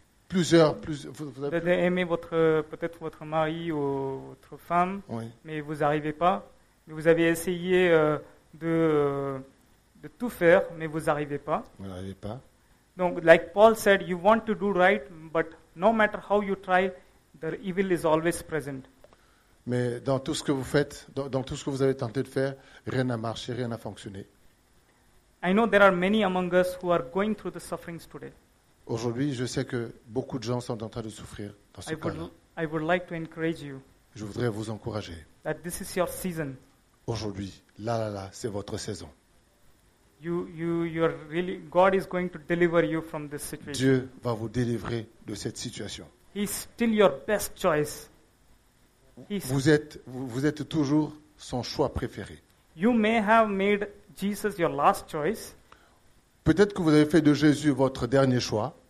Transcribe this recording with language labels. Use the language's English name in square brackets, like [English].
[French] de aimer votre peut-être votre mari ou votre femme, oui. Mais vous n'arrivez pas. Vous avez essayé de tout faire, mais vous n'arrivez pas. Vous n'arrivez pas. [English] Donc, like Paul said, you want to do right, but no matter how you try, the evil is always present. [French] Mais dans tout ce que vous faites, dans tout ce que vous avez tenté de faire, rien n'a marché, rien n'a fonctionné. [English] I know there are many among us who are going through the sufferings today. [French] Aujourd'hui, je sais que beaucoup de gens sont en train de souffrir dans ce cas-là. [English] I would like to encourage you. [French] Je voudrais vous encourager. [English] That this is your season. [French] Aujourd'hui, là, c'est votre saison. [English] You are really God is going to deliver you from this situation. [French] Dieu va vous délivrer de cette situation. [English] He is still your best choice. [French] Vous êtes toujours son choix préféré. [English] You may have made Jesus your last choice. [French] Peut-être que vous avez fait de Jésus votre dernier choix.